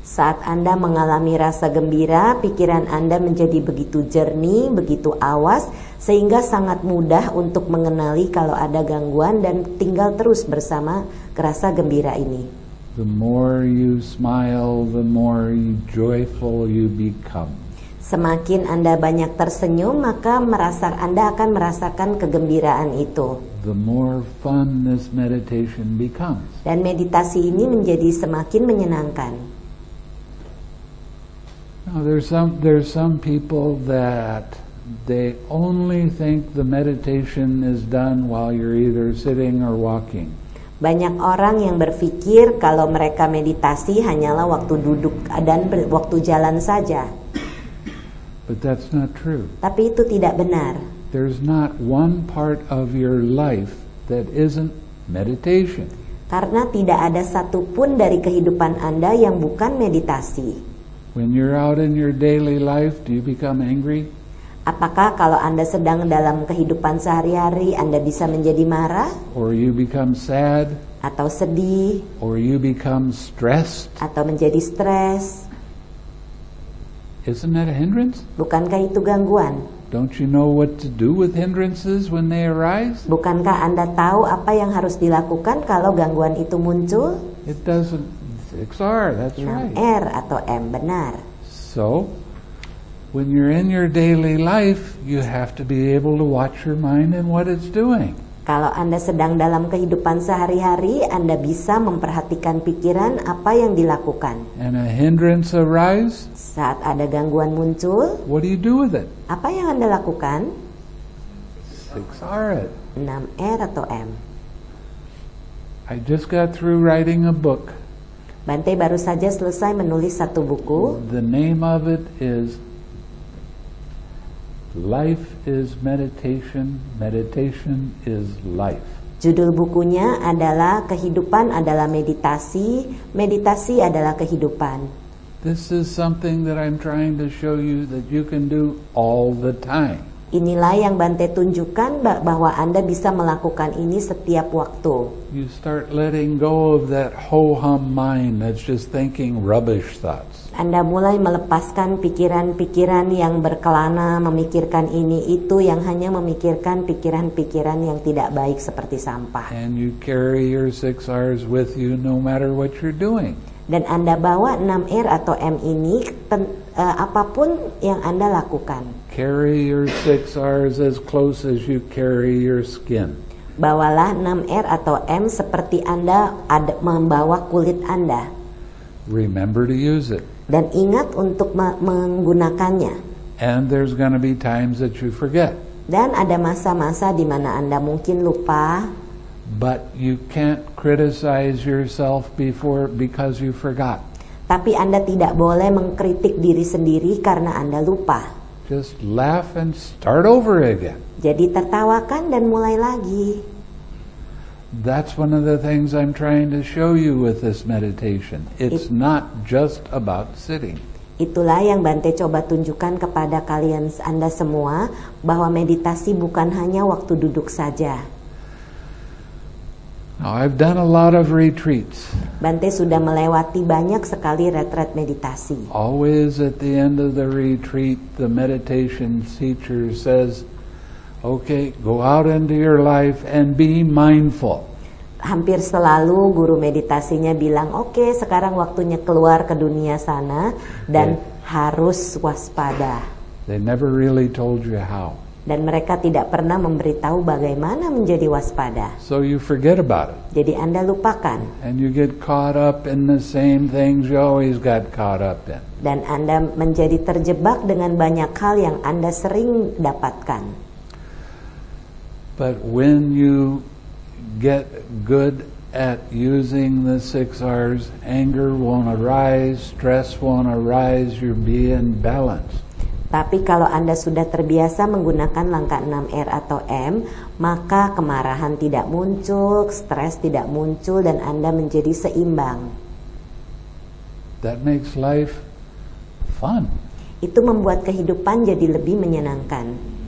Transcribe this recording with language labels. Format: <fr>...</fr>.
<id>Saat Anda mengalami rasa gembira, pikiran Anda menjadi begitu jernih, begitu awas, sehingga sangat mudah untuk mengenali kalau ada gangguan dan tinggal terus bersama rasa gembira ini.</id> <en>The more you smile, the more joyful you become.</en> <id>Semakin Anda banyak tersenyum, maka merasa Anda akan merasakan kegembiraan itu.</id> <en>The more fun this meditation becomes.</en> <id>Dan meditasi ini menjadi semakin menyenangkan.</id> <en>Now there's some people that they only think the meditation is done while you're either sitting or walking.</en> <id>Banyak orang yang berpikir kalau mereka meditasi hanyalah waktu duduk dan waktu jalan saja.</id> <en>But that's not true.</en> <id>Tapi itu tidak benar.</id> <en>There's not one part of your life that isn't meditation.</en> <id>Karena tidak ada satu pun dari kehidupan Anda yang bukan meditasi.</id> <en>When you're out in your daily life, do you become angry?</en> <id>Apakah kalau Anda sedang dalam kehidupan sehari-hari Anda bisa menjadi marah?</id> <en>Or you become sad?</en> <id>Atau sedih?</id> <en>Or you become stressed?</en> <id>Atau menjadi stres?</id> <en>Isn't that a hindrance?</en> <id>Bukankah itu gangguan?</id> <en>Don't you know what to do with hindrances when they arise?</en> <id>Bukankah Anda tahu apa yang harus dilakukan kalau gangguan itu muncul?</id> <en>It doesn't. XR, that's right.</en> <id>R atau M, benar.</id> <en>So, when you're in your daily life, you have to be able to watch your mind and what it's doing.</en> <id>Kalau Anda sedang dalam kehidupan sehari-hari, Anda bisa memperhatikan pikiran apa yang dilakukan.</id> <en>And a hindrance arise,</en> <id>saat ada gangguan muncul,</id> <en>what do you do with it?</en> <id>Apa yang Anda lakukan?</id> <en>6R.</en> <id>6R atau M.</id> <en>I just got through writing a book.</en> <id>Bante baru saja selesai menulis satu buku.</id> <en>The name of it is Life is Meditation, Meditation is Life.</en> <id>Judul bukunya adalah Kehidupan adalah Meditasi, Meditasi adalah Kehidupan.</id> <en>This is something that I'm trying to show you that you can do all the time.</en> <id>Inilah yang Bante tunjukkan bahwa Anda bisa melakukan ini setiap waktu.</id> <en>You start letting go of that ho-hum mind that's just thinking rubbish thoughts.</en> <id>Anda mulai melepaskan pikiran-pikiran yang berkelana, memikirkan ini itu, yang hanya memikirkan pikiran-pikiran yang tidak baik seperti sampah.</id> <en>And you carry your 6Rs with you no matter what you're doing.</en> <id>Dan Anda bawa 6R atau M ini apapun yang Anda lakukan.</id> <en>Carry your 6Rs as close as you carry your skin.</en> <id>Bawalah 6R atau M seperti Anda membawa kulit Anda.</id> <en>Remember to use it.</en> <id>Dan ingat untuk menggunakannya.</id> <en>And there's going to be times that you forget.</en> <id>Dan ada masa-masa di mana Anda mungkin lupa.</id> <en>But you can't criticize yourself before because you forgot.</en> <id>Tapi Anda tidak boleh mengkritik diri sendiri karena Anda lupa.</id> <en>Just laugh and start over again.</en> <id>Jadi tertawakan dan mulai lagi.</id> <en>That's one of the things I'm trying to show you with this meditation. It's not just about sitting.</en> <id>Itulah yang Bante coba tunjukkan kepada kalian Anda semua, bahwa meditasi bukan hanya waktu duduk saja.</id> <en>Now, I've done a lot of retreats.</en> <id>Bante sudah melewati banyak sekali retret meditasi.</id> <en>Always at the end of the retreat, the meditation teacher says, "Okay, go out into your life and be mindful."</en> <id>Hampir selalu guru meditasinya bilang, "Okay, sekarang waktunya keluar ke dunia sana dan harus waspada."</id> <en>They never really told you how.</en> <id>Dan mereka tidak pernah memberitahu bagaimana menjadi waspada.</id> <en>So you forget about it.</en> <id>Jadi Anda lupakan.</id> <en>And you get caught up in the same things you always got caught up in.</en> <id>Dan Anda menjadi terjebak dengan banyak hal yang Anda sering dapatkan.</id> <en>But when you get good at using the six R's, anger won't arise, stress won't arise, you'll be in balance.</en> <id>Tapi kalau Anda sudah terbiasa menggunakan langkah 6 R atau M, maka kemarahan tidak muncul, stres tidak muncul, dan Anda menjadi seimbang.</id> <en>That makes life fun.</en> <id>Itu membuat kehidupan jadi lebih menyenangkan.</id>